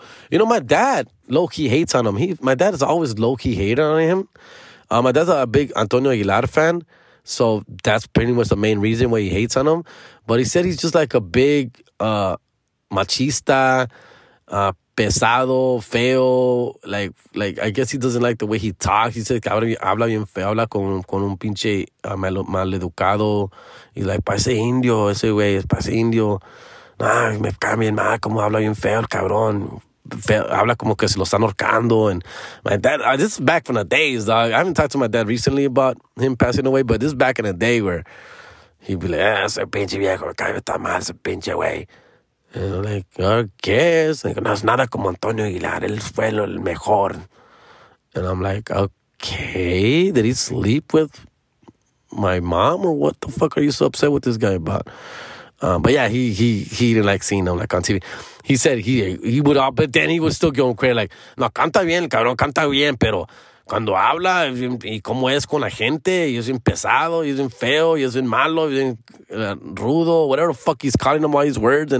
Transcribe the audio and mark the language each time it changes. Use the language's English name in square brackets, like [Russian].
[English] You know, my dad low-key hates on him. My dad is always low-key hated on him. My dad's a big Antonio Aguilar fan, so that's pretty much the main reason why he hates on him. But he said he's just like a big [Spanish] machista, pesado, feo. [English] Like I guess he doesn't like the way he talks. He says, [Spanish] habla bien feo, habla con un pinche mal educado. [English] He's like, [Spanish] parece indio, ese güey, parece indio. Nah, me cambien mal, como habla bien feo, el cabrón. Habla como que se lo están ahorcando. [English] And my dad, this is back from the days, dog. I haven't talked to my dad recently about him passing away, but this is back in the day where he'd be like, [Spanish] ese pinche viejo, cállate tan mal, ese pinche güey. [English] And I'm like, okay. Like, [Spanish] no es nada como Antonio Aguilar, él fue el mejor. [English] And I'm like, okay, did he sleep with my mom or what the fuck are you so upset with this guy about? But yeah, he didn't like seeing him like on TV. He said he would, but then he was still going crazy like, [Spanish] no, canta bien, cabrón, canta bien, pero cuando habla y cómo es con la gente, y es bien pesado, y es bien feo, y es bien malo, y es bien rudo, [English] whatever the fuck he's calling him all these words.